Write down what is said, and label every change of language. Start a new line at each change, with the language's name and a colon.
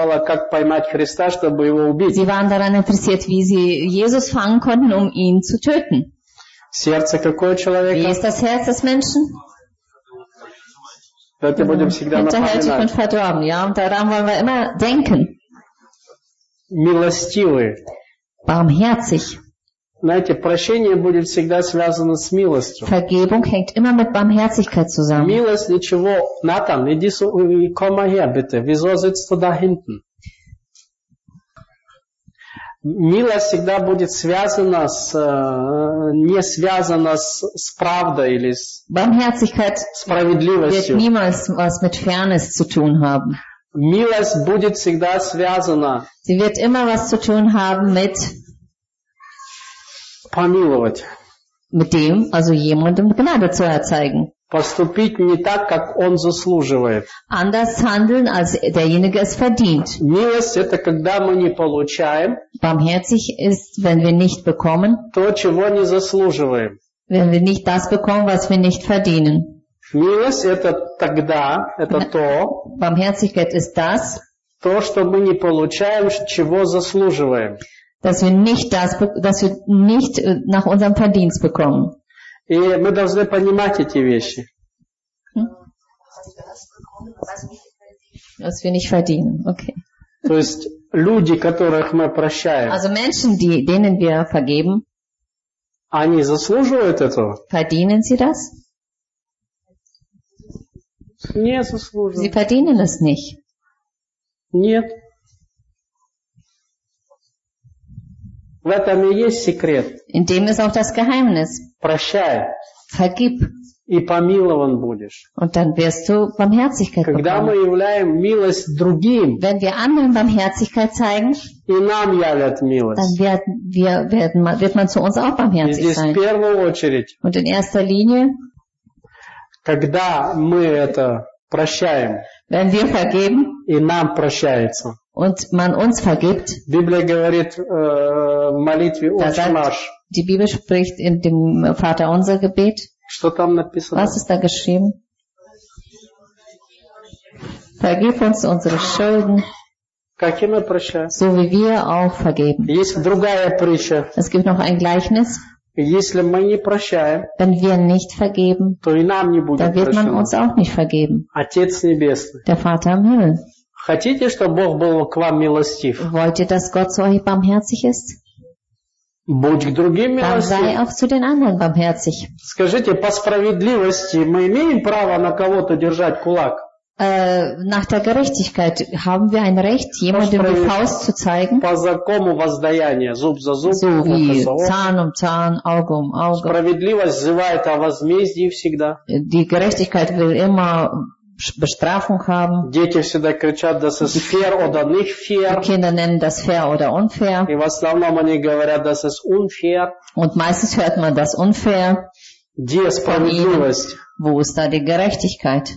German: Sie waren daran interessiert, wie sie Jesus fangen konnten, um ihn zu töten. Wie ist das Herz des Menschen? Hinterhältig und verdorben. Ja, und daran wollen wir immer denken.
Russian: Милостивые.
German: Barmherzig.
Russian: Знаете, прощение будет всегда связано с милостью.
German: Vergebung hängt immer mit Barmherzigkeit zusammen.
Russian: Милость ничего. Натан, иди сюда,
German: bitte. Wieso sitzt du da hinten?
Russian: Милость всегда будет связана с, не связана с правдой или с
German: Barmherzigkeit
Russian: справедливостью.
German: Wird niemals was mit Fairness zu tun haben.
Russian: Милость будет всегда связана.
German: Sie wird immer was zu tun haben mit
Russian: помиловать.
German: Mit dem, also jemandem Gnade zu erzeigen.
Russian: Поступить не так, как он заслуживает.
German: Anders handeln, als derjenige es verdient.
Russian: Милость – это когда мы не получаем.
German: Barmherzig ist, wenn wir nicht bekommen.
Russian: То, чего не заслуживаем.
German: Wenn wir nicht das bekommen, was wir nicht verdienen.
Russian: Милость – это тогда, это то.
German: Barmherzigkeit ist das.
Russian: То, что мы не получаем, чего заслуживаем.
German: Dass wir nicht das, dass wir nicht nach unserem Verdienst bekommen.
Russian: И мы должны понимать эти вещи.
German: Was wir nicht verdienen, okay.
Russian: То есть люди, которых мы прощаем.
German: Also Menschen, die, denen wir vergeben.
Russian: Они заслуживают этого?
German: Verdienen sie das?
Russian: Не заслуживают.
German: Sie verdienen es nicht.
Russian: Нет. В этом и есть секрет.
German: In dem ist auch das Geheimnis.
Russian: Прощай.
German: Vergib.
Russian: И помилован будешь.
German: Und dann wirst du Barmherzigkeit
Russian: Когда
German: bekommen.
Russian: Мы являем милость другим,
German: wenn wir anderen Barmherzigkeit zeigen,
Russian: и нам явят милость.
German: Dann wird man zu uns auch barmherzig sein.
Russian: И здесь В первую очередь.
German: Und in erster Linie,
Russian: когда мы это прощаем,
German: wenn wir vergeben,
Russian: и нам прощается,
German: und man uns vergibt,
Russian: Библия говорит в молитве «Отче наш»,
German: die Bibel spricht in dem Vater unser Gebet,
Russian: что там написано?
German: Was ist da geschrieben? Vergib uns unsere Schulden,
Russian: как и мы прощаем,
German: so wie wir auch vergeben.
Russian: Есть другая притча.
German: Es gibt noch ein Gleichnis.
Russian: Если мы не прощаем,
German: wenn wir nicht vergeben,
Russian: то и нам не будет
German: dann wird man uns auch nicht vergeben.
Russian: Отец Небесный.
German: Der Vater im Himmel.
Russian: Хотите, чтобы Бог был к вам милостив?
German: Wollt ihr, dass Gott zu euch barmherzig ist?
Russian: Будь к другим милостив.
German: Dann sei auch zu den anderen barmherzig.
Russian: Скажите, по справедливости мы имеем право на кого-то держать кулак?
German: Nach der Gerechtigkeit haben wir ein Recht, jemandem die Faust zu zeigen.
Russian: По закону воздаяния, зуб за зуб,
German: so wie Zahn um Zahn, Auge um Auge.
Russian: Справедливость взывает о возмездии всегда.
German: Die Gerechtigkeit will immer Bestrafung haben.
Russian: Дети всегда кричат,
German: das ist fair oder nicht fair. Die Kinder nennen das fair oder unfair.
Russian: И в основном они говорят,
German: das ist unfair. Und meistens hört man das unfair.
Russian: Где справедливость?
German: Wo ist da die Gerechtigkeit?